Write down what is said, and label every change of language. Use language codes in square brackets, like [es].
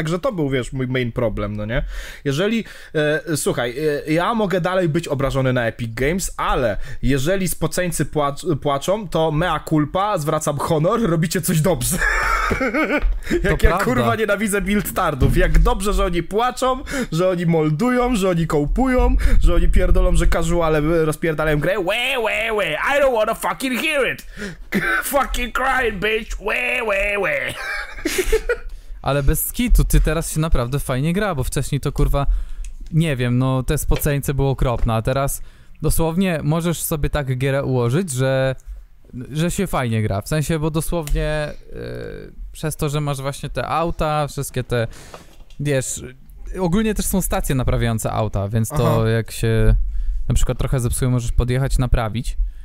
[pl] Także to był, wiesz, mój main problem, no nie? Jeżeli, ja mogę dalej być obrażony na Epic Games, ale... Jeżeli spoceńcy płaczą, to mea culpa, zwracam honor, robicie coś dobrze. Jak prawda. Ja kurwa nienawidzę Buildstardów. Jak dobrze, że oni płaczą, że oni moldują, że oni kołpują, że oni pierdolą, że casuale rozpierdalają grę. [en] We, I don't wanna fucking hear it. Fucking crying, bitch. We. [pl] Ale bez skitu, ty teraz się naprawdę fajnie gra, bo wcześniej to kurwa, nie wiem, no te spoceńce były okropne, a teraz... Dosłownie możesz sobie tak gierę ułożyć, że się fajnie gra. W sensie, bo dosłownie przez to, że masz właśnie te auta, wszystkie te, wiesz, ogólnie też są stacje naprawiające auta, więc to jak się na przykład trochę zepsuje, możesz podjechać, naprawić.